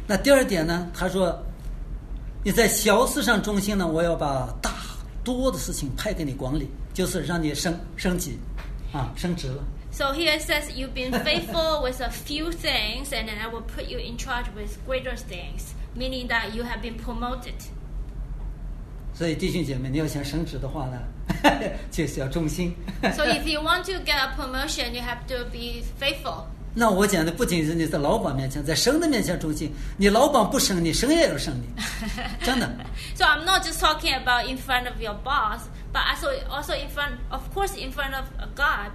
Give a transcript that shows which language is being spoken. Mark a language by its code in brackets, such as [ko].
[zh] 那第二点呢，他说你在小事上忠心呢，我要把大多的事情派给你管理，就是让你升级啊，升职了。 [en] So here it says, you've been faithful with a few things, and then I will put you in charge with greater things, meaning that you have been promoted. [zh] 所以弟兄姐妹，你要想升职的话呢，就是要忠心。 [en] So if you want to get a promotion, you have to be faithful. [zh] 那我讲的不仅是你在老板面前，在神的面前忠心。你老板不升你，神也要升你，真的。 [en] So I'm not just talking about in front of your boss, but also in front, of course, in front of God.